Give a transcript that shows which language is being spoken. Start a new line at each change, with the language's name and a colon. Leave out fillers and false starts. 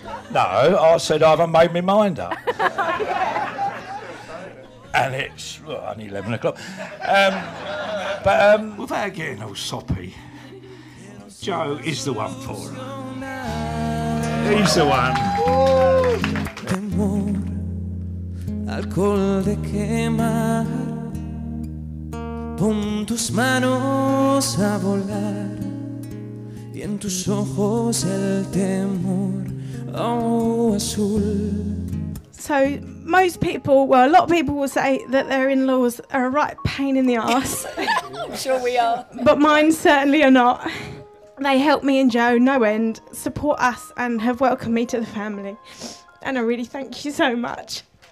English: No, I said I haven't made my mind up. And it's only 11 o'clock. But without getting all soppy, Joe is the one for her. He's the one.
Spanish: Alcohol de quemar, pon tus manos a volar, y en tus ojos el temor, oh, azul.
English: So most people, well, a lot of people will say that their in-laws are a right pain in the arse. I'm sure we are. But mine certainly are not. They help me and Joe no end, support us and have welcomed me to the family. And I really thank you so much.